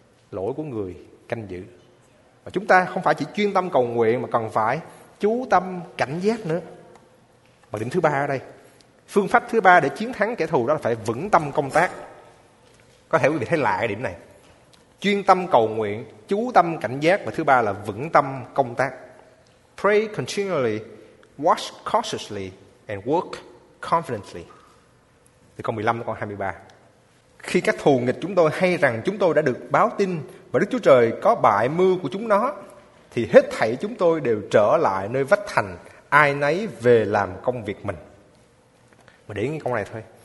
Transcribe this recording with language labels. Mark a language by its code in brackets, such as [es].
[vi] Lỗi của người canh giữ. Và chúng ta không phải chỉ chuyên tâm cầu nguyện mà cần phải chú tâm cảnh giác nữa. Và điểm thứ ba ở đây, phương pháp thứ ba để chiến thắng kẻ thù đó là phải vững tâm công tác. Có thể quý vị thấy lạ cái điểm này. Chuyên tâm cầu nguyện, chú tâm cảnh giác và thứ ba là vững tâm công tác. [en] Pray continually, watch cautiously and work confidently. [vi] Từ câu 15 đến câu 23. Khi các thù nghịch chúng tôi hay rằng chúng tôi đã được báo tin và Đức Chúa Trời có bại mưu của chúng nó, thì hết thảy chúng tôi đều trở lại nơi vách thành, ai nấy về làm công việc mình. Mà để cái câu này thôi.